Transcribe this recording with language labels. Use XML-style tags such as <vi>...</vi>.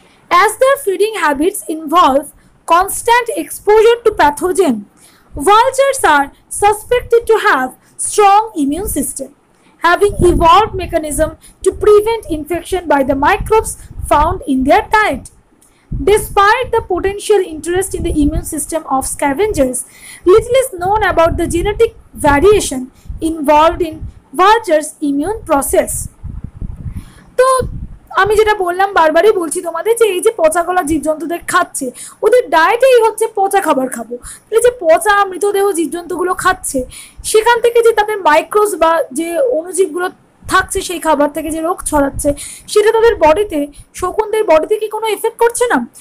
<en>As their feeding habits involve constant exposure to pathogen, vultures are suspected to have strong immune system, having evolved mechanism to prevent infection by the microbes found in their diet. Despite the potential interest in the immune system of scavengers, little is known about the genetic variation involved in vultures' immune process.</en> <bn>তো আমি যেটা বললাম বারবারই বলছি তোমাদের যে এই যে পচা গলা জীবজন্তুদের খাচ্ছে ওদের ডায়েটে এই হচ্ছে পচা খাবার খাবো, তাহলে যে পচা মৃতদেহ জীবজন্তুগুলো খাচ্ছে সেখান থেকে যে তাদের মাইক্রোস বা যে অণুজীবগুলো থাকছে সেই খাবার থেকে যে রোগ ছড়াচ্ছে সেটা তাদের বডিতে শকুনদের বডিতে কি কোনো এফেক্ট করছে না?</bn>